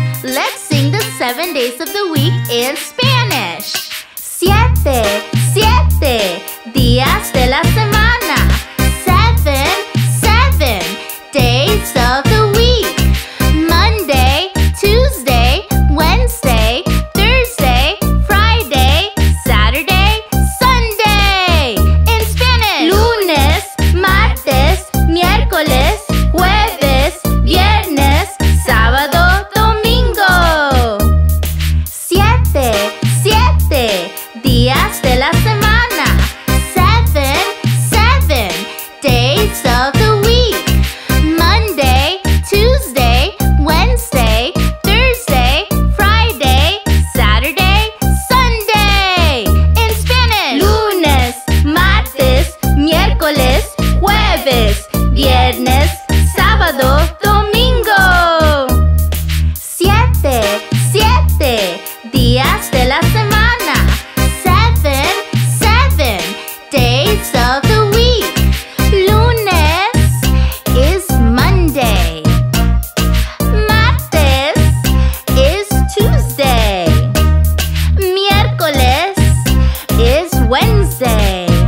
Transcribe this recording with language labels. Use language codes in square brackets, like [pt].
[en] Let's sing the 7 days of the week in Spanish. [es] Siete, siete, días de la semana. [en] Seven, seven, days of the week. Monday, Tuesday, Wednesday, Thursday, Friday, Saturday, Sunday. In Spanish. [es] Lunes, martes, miércoles, jueves, viernes, sábado, domingo. Siete, siete, días de la semana. [en] Seven, seven, days of the week. Monday, Tuesday, Wednesday, Thursday, Friday, Saturday, Sunday. In Spanish. [es] Lunes, martes, miércoles, jueves, viernes, sábado, domingo. Siete, siete, días de la semana. [en] Seven, seven, days of the week. Lunes is Monday. Martes is Tuesday. Miércoles is Wednesday.